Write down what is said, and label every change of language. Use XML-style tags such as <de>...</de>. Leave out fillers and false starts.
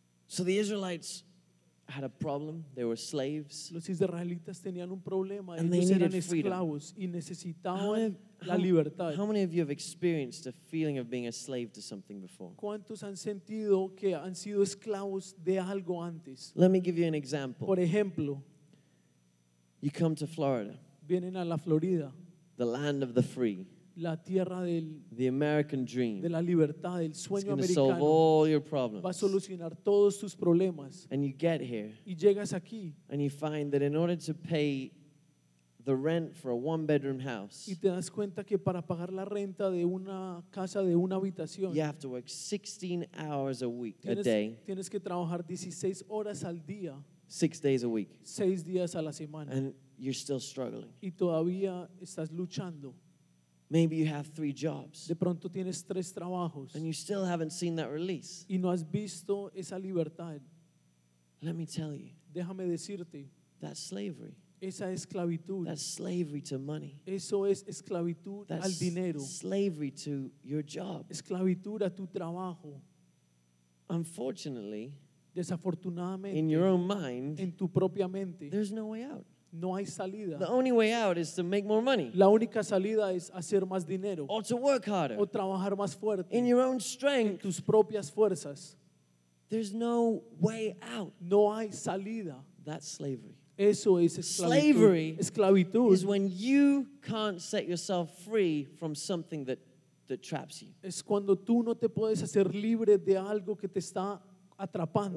<en>So the Israelites had a problem. They were slaves.</en> <es>Los israelitas tenían un problema.</es> <en>And</en> <es>ellos</es> <en>they needed</en> <es>eran esclavos</es> <en>freedom.</en> <es>Y necesitaban la libertad.</es> <en>How many of you have experienced a feeling of being a slave to something before?</en> <es>¿Cuántos han sentido que han sido esclavos de algo antes?</es> <en>Let me give you an example.</en> <es>Por ejemplo,</es> <en>you come to Florida.</en> <es>Vienen a la Florida.</es> <en>The land of the free.</en> <es>La tierra del,</es> <en>the American dream.</en> <es>De la libertad, del sueño</es> <en>it's going</en> <es>americano.</es> <en>To solve all your problems.</en> <es>Va a solucionar todos tus problemas.</es> <en>And you get here.</en> <es>Y llegas aquí.</es> <en>And you find that in order to pay the rent for a one-bedroom house,</en> <es>y te das cuenta que para pagar la renta de una casa, de una habitación,</es> <en>you have to work 16 hours a week, a day.</en> <es>Tienes que trabajar 16 horas al día.</es> <en>6 days a week.</en> <es>6 días a la semana.</es> <en>And you're still struggling.</en> <es>Y todavía estás luchando.</es> <en>Maybe you have 3 jobs.</en> <es>De pronto tienes 3 trabajos.</es> <en>And you still haven't seen that release.</en> <es>Y no has visto esa libertad.</es> <en>Let me tell you.</en> <es>Déjame decirte.</es> <en>That's slavery.</en> <es>Esa esclavitud.</es> <en>That's slavery to money.</en> <es>Eso es esclavitud</es> <en>that's</en> <es>al dinero.</es> <en>Slavery to your job.</en> <es>Esclavitud a tu trabajo.</es> <en>Unfortunately,</en> <es>desafortunadamente,</es> <en>in your own mind,</en> <es>en tu propia mente,</es> <en>there's no way out.</en> <es>No hay salida.</es> <en>The only way out is to make more money.</en> <es>La única salida es hacer más dinero.</es> <en>Or to work harder.</en> <es>O trabajar más fuerte.</es> <en>In your own strength.</en> <es>En tus propias fuerzas.</es> <en>There's no way out.</en> <es>No hay salida.</es> <en>That's slavery.</en> <es>Eso es</es> <en>slavery.</en> <es>Esclavitud.</es> <en>Is when you can't set yourself free from something that traps you.</en> <es>Es cuando tú no te puedes hacer libre de algo que te está atrapando.</es>